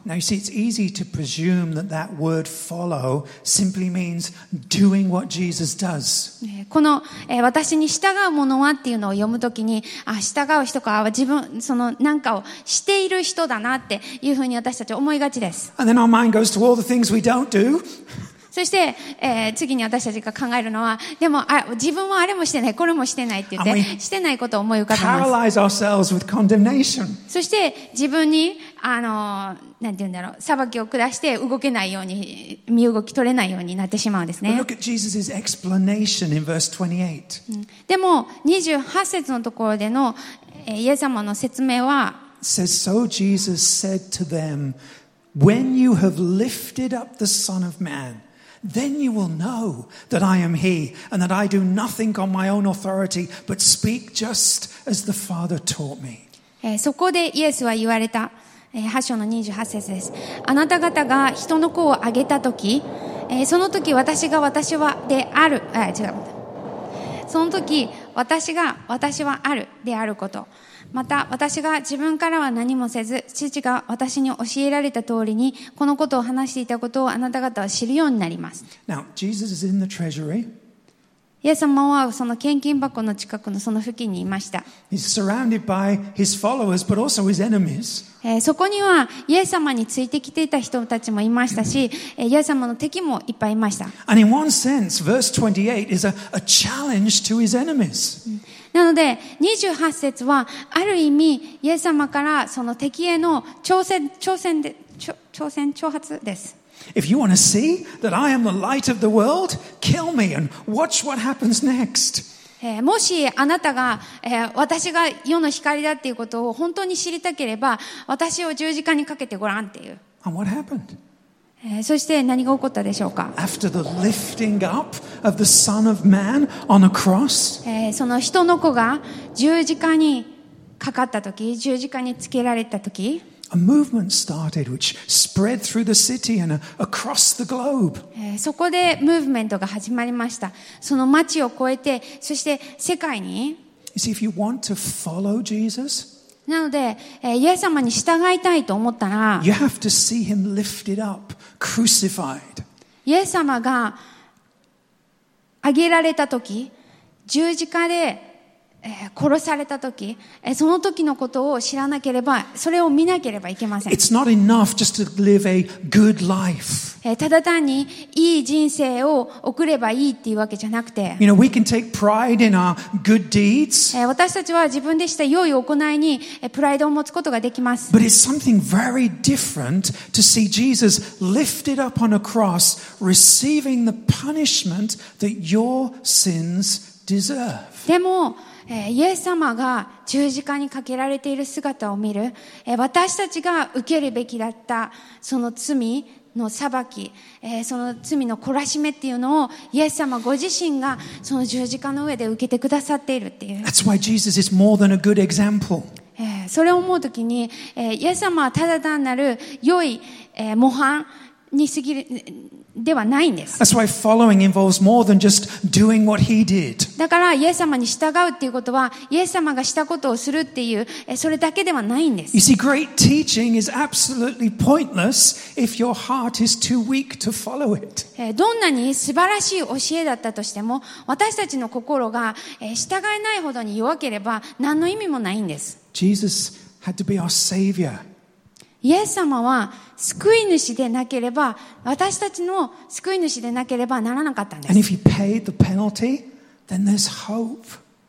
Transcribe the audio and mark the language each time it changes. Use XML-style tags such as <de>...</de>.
<en>Now you see, it's easy to presume that that word follow simply means doing what Jesus does.</en> <ja>この私に従う者はっていうのを読むときに、あ、従う人か、自分、その何かをしている人だなっていうふうに私たち思いがちです。</ja> <en>And then our mind goes to all the things we don't do.</en> <ja>そして、次に私たちが考えるのは、でも、あ、自分はあれもしてない、これもしてないって言って、してないことを思い浮かべます。</ja> <en>Paralyze ourselves with condemnation.</en> <ja>そして、自分に、なんて言うんだろう、裁きを下して動けないように、身動き取れないようになってしまうんですね。</ja> <en>But look at Jesus' explanation in verse 28.</en> <ja>でも、28節のところでの、イエス様の説明は、</ja> <en>says, so Jesus said to them, when you have lifted up the Son of Man,Then you will know that I am He, and that I do nothing on my own authority, but speak just as the Father taught me.</en> <ja>そこでイエスは言われた。8章の28節です。あなた方が人の子をあげたとき、その時私が私はである、あ、違う。その時私が私はあるであること。また私が自分からは何もせず父が私に教えられた通りにこのことを話していたことをあなた方は知るようになります。</ja> <en>Now, Jesus is in the treasury.</en> <ja>イエス様はその献金箱の近くのその付近にいました。</ja> <en>He's surrounded by his followers, but also his enemies.</en> <ja>そこにはイエス様についてきていた人たちもいましたし、イエス様の敵もいっぱいいました。</ja> <en>And in one sense, verse 28 is a challenge to his enemies.</en> <ja>なので28節はある意味イエス様からその敵への挑発です。</ja> <en>If you want to see that I am the light of the world, kill me and watch what happens next.</en> <ja>もしあなたが、私が世の光だっていうことを本当に知りたければ、私を十字架にかけてごらんっていう。</ja> <en>And what happened?</en> <ja>そして何が起こったでしょうか。</ja> <en>After the lifting up of the Son of Man on a cross,</en> <ja>その人の子が十字架にかかったとき、十字架につけられたとき、</ja> <en>A movement started which spread through the city and across the globe.</en> <ja>そこでムーブメントが始まりました。その街を越えて、そして世界に。</ja> <en>You see, if you want to follow Jesus,</en> <ja>なので、イエス様に従いたいと思ったら、</ja> <en>You have to see him lifted up, crucified.</en> <ja>イエス様が挙げられた時、十字架で、殺された時、その時のことを知らなければ、それを見なければいけません。</ja> <en>It's not enough just to live a good life.</en> <ja>ただ単にいい人生を送ればいいっていうわけじゃなくて、</ja> <en>You know, we can take pride in our good deeds.</en> <ja>私たちは自分でした良い行いにプライドを持つことができます。</ja> <en>But it's something very different to see Jesus lifted up on a cross, receiving the punishment that your sins deserve.</en> <ja>でも、イエス様が十字架にかけられている姿を見る、私たちが受けるべきだったその罪の裁き、その罪の懲らしめっていうのをイエス様ご自身がその十字架の上で受けてくださっているっていう。</ja> <en>That's why Jesus is more than a good example.</en> <ja>それを思うときに、イエス様はただ単なる良い、模範に過ぎるではないんです。</ja> <en>That's why following involves more than just doing what he did.</en> <ja>だからイエス様に従うっていうことはイエス様がしたことをするっていうそれだけではないんです。</ja> <en>You see, great teaching is absolutely pointless if your heart is too weak to follow it.</en> <ja>どんなに素晴らしい教えだったとしても私たちの心が従えないほどに弱ければ何の意味もないんです。</ja> <en>Jesus had to be our savior.</en> <ja>イエス様は救い主でなければ私たちの救い主でなければならなかったんです。</ja> <en>And if he paid the penalty, then there's hope.</en>